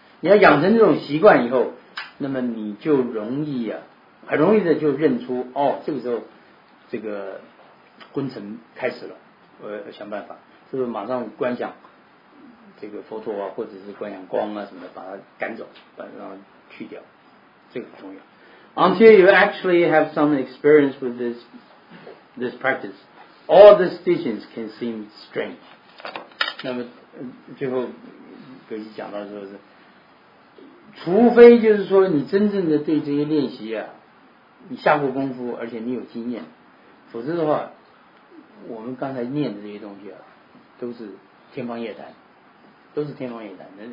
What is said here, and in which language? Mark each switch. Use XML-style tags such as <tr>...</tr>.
<zh>你要养成这种习惯以后，那么你就容易啊，很容易的就认出哦，这个时候这个昏沉开始了，我要想办法，是不是马上观想这个佛陀啊，或者是观想光啊什么的，把它赶走，把它去掉，这个很重要。</zh> <en>Until you actually have some experience with this practice, all these teachings can seem strange.</en> <zh>那么最后格西讲到说是。除非就是说你真正的对这些练习啊，你下过功夫，而且你有经验，否则的话，我们刚才念的这些东西啊，都是天方夜谭，都是天方夜谭。</zh>